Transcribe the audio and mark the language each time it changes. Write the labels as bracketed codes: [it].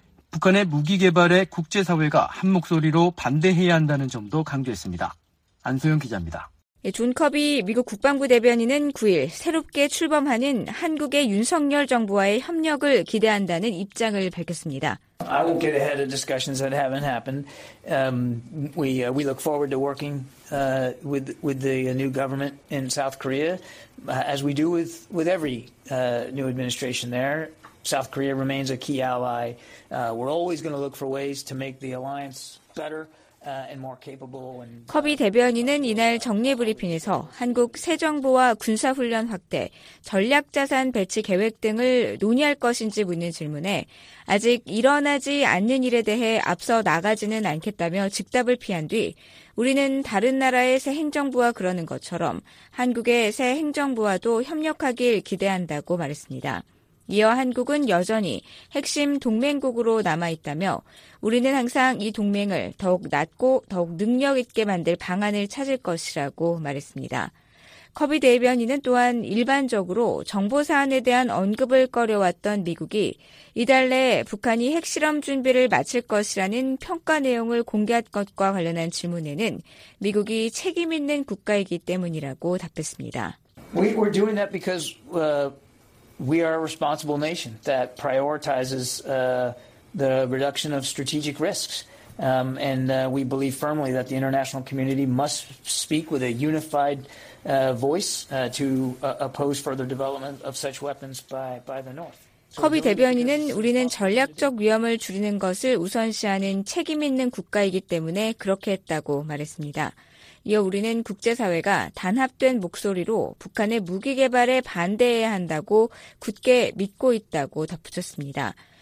[ko] 북한의 무기 개발에 국제사회가 한 목소리로 반대해야 한다는 점도 강조했습니다. 안소영 기자입니다. 존 커비 미국 국방부 대변인은 9일 새롭게 출범하는 한국의 윤석열 정부와의 협력을 기대한다는 입장을 밝혔습니다. [en] I won't get ahead of discussions that haven't happened. We look forward to working with the new government in South Korea, as we do with every new administration there. South Korea remains a key ally. We're always going to look for ways to make the alliance better and more capable. [ko] 커비 대변인은 이날 정례 브리핑에서 한국 새 정부와 군사훈련 확대, 전략자산 배치 계획 등을 논의할 것인지 묻는 질문에 아직 일어나지 않는 일에 대해 앞서 나가지는 않겠다며 즉답을 피한 뒤 우리는 다른 나라의 새 행정부와 그러는 것처럼 한국의 새 행정부와도 협력하길 기대한다고 말했습니다. 이어 한국은 여전히 핵심 동맹국으로 남아있다며 우리는 항상 이 동맹을 더욱 낮고 더욱 능력 있게 만들 방안을 찾을 것이라고 말했습니다. 커비 대변인은 또한 일반적으로 정보 사안에 대한 언급을 꺼려왔던 미국이 이달 내 북한이 핵실험 준비를 마칠 것이라는 평가 내용을 공개할 것과 관련한 질문에는 미국이 책임 있는 국가이기 때문이라고 답했습니다. [en] We're doing that because... We are a responsible nation that prioritizes the reduction of strategic risks. We believe firmly that the international community must speak with a unified voice to oppose further development of such weapons by the North. [ko] 커비 대변인은 우리는 전략적 위험을 줄이는 것을 우선시하는 책임 있는 국가이기 때문에 그렇게 했다고 말했습니다. 이어 우리는 국제사회가 단합된 목소리로 북한의 무기 개발에 반대해야 한다고 굳게 믿고 있다고 덧붙였습니다.